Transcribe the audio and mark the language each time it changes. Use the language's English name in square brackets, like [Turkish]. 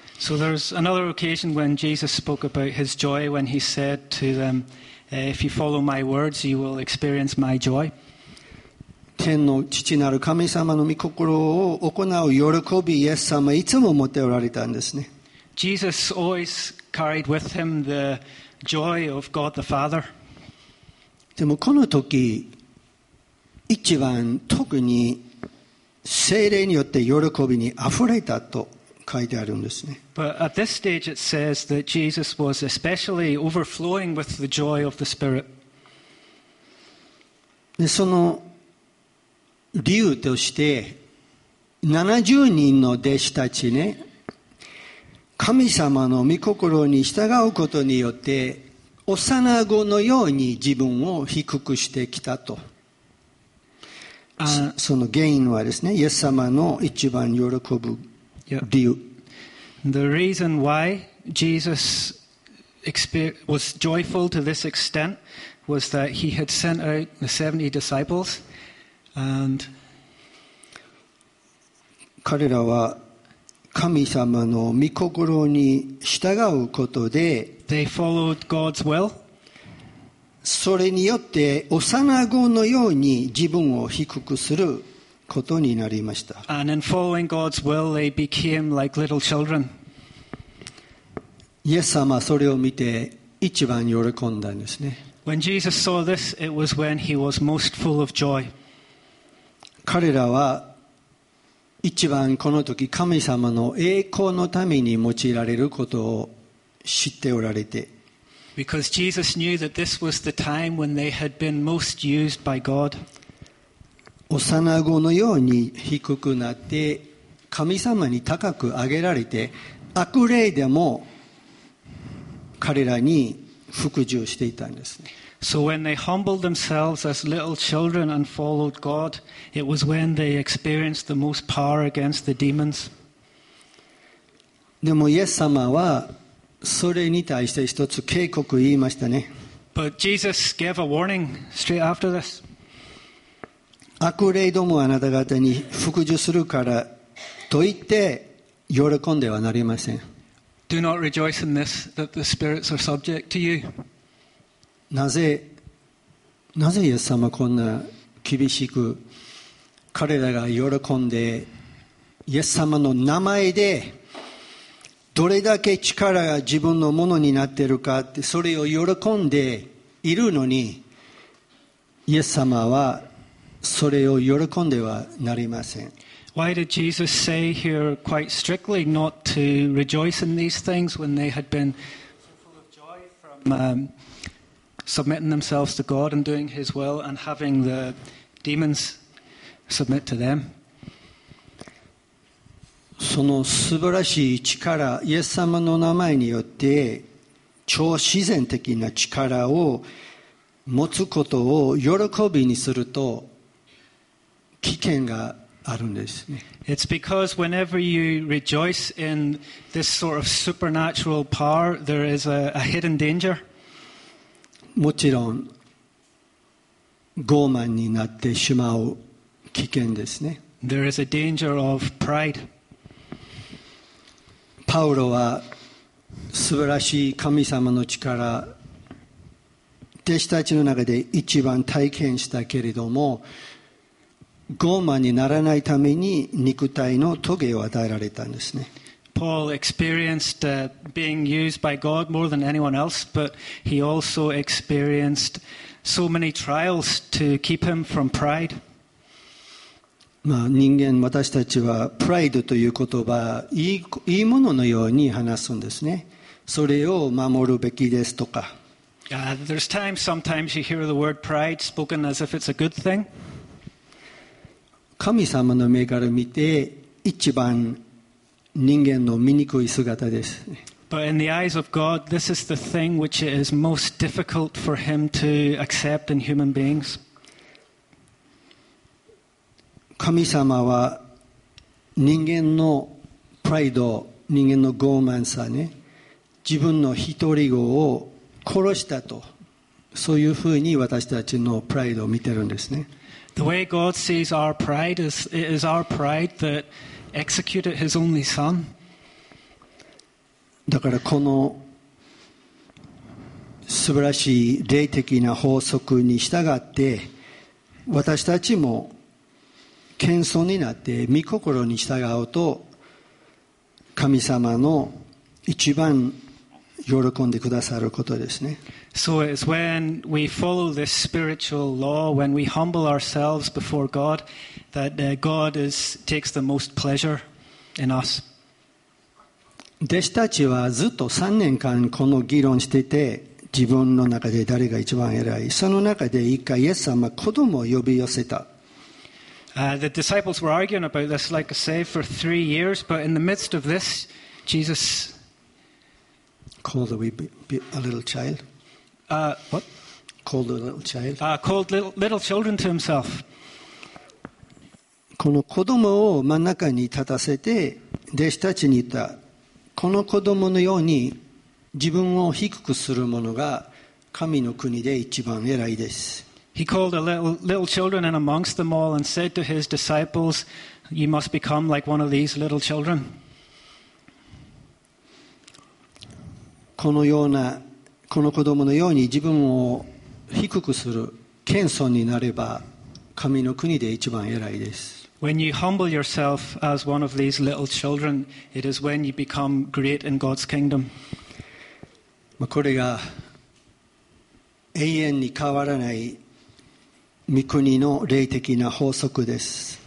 [English] So there's another occasion when Jesus spoke about his joy when he said to them, if you follow my words, you will experience my joy. [Japanese] 天の父なる神様の御心を行う喜び、イエス様はいつも持っておられたんですね。 [English] Jesus always carried with him the joy of God the Father. [Japanese] でもこの時、一番特に聖霊によって喜びに溢れたと書いてあるんですね。 [English] But at this stage it says that Jesus was especially overflowing with the joy of the Spirit. [Japanese] で、その理由として70人の弟子たちね、神様の御心に従うことによって幼子のように自分を低くしてきたと、その原因はですね、イエス様の一番喜ぶ理由、 [English] The reason why Jesus was joyful to this extent was that he had sent out the 70 disciples and [Japanese] 彼らは神様の御心に従うことで、 [English] They followed God's will. [Japanese] それによって幼子のように自分を低くすることになりました。 [English] And in following God's will, they became like little children. [Japanese] イエス様はそれを見て一番喜んだんですね。 [English] When Jesus saw this, it was when he was most full of joy. [Japanese] 彼らは一番この時神様の栄光のために用いられることを知っておられて、 [English] Because Jesus knew that this was the time when they had been most used by God. [Japanese] 幼子のように低くなって神様に高く上げられて、悪霊でも彼らに服従していたんですね。 [English] So when they humbled themselves as little children and followed God, it was when they experienced the most power against the demons. [Japanese] でもイエス様はそれに対して一つ警告を言いましたね。 [English] But Jesus gave a warning straight after this. [Japanese] 悪霊どもあなた方に服従するからといって喜んではなりません。 [English] Do not rejoice in this, that the spirits are subject to you. [Japanese] なぜイエス様はこんな厳しく彼らが喜んでイエス様の名前でどれだけ力が自分のものになっているかってそれを喜んでいるのにイエス様はそれを喜んではなりません。 [English] Why did Jesus say here quite strictly not to rejoice in these things when they had been full of joy from submitting themselves to God and doing His will and having the demons submit to them. [Japanese] その素晴らしい力、イエス様の名前によって超自然的な力を持つことを喜びにすると危険があるんですね。 [English] It's because whenever you rejoice in this sort of supernatural power, there is a hidden danger. [Japanese] もちろん傲慢になってしまう危険ですね。 [English] There is a danger of pride. [Japanese] パウロは素晴らしい神様の力弟子たちの中で一番体験したけれども傲慢にならないために肉体の棘を与えられたんですね。 [English] Paul experienced being used by God more than anyone else, but he also experienced so many trials to keep him from pride. [Japanese] まあ人間、私たちはプライドという言葉、いいもののように話すんですね。それを守るべきですとか。 [English] There's times sometimes you hear the word pride spoken as if it's a good thing. [Japanese] 神様の目から見て一番人間の醜い姿です。 [English] But in the eyes of God, this is the thing which is most difficult for him to accept in human beings. [Japanese] 神様は人間のプライド、人間の傲慢さね、自分の独り子を殺したと、そういうふうに私たちのプライドを見てるんですね。 [English] The way God sees our pride is, it is our pride that executed his only son. [Japanese] だからこの素晴らしい霊的な法則に従って、私たちも謙遜になって御心に従うと、神様の一番喜んでくださることですね。 [English] So it's when we follow this spiritual law, when we humble ourselves before God, that God takes the most pleasure in us. [Japanese] 弟子たちはずっと3年間この議論していて、自分の中で誰が一番偉い。その中で一回イエス様子供を呼び寄せた。 [English] The disciples were arguing about this, like I say, for 3 years, but in the midst of this, Jesus called a little child. What? Called a little child. Called little children to himself. [Japanese] この子供を真ん中に立たせて弟子たちに言った。この子供のように自分を低くする者が神の国で一番偉いです。 [English] He called a little children in amongst them all and said to his disciples, "You must become like one of these little children." [Japanese] このようなこの子供のように自分を低くする謙遜になれば神の国で一番偉いです。 [English] When you humble yourself as one of these little children, it is when you become great in God's kingdom. [Japanese] これが永遠に変わらない御国の霊的な法則です。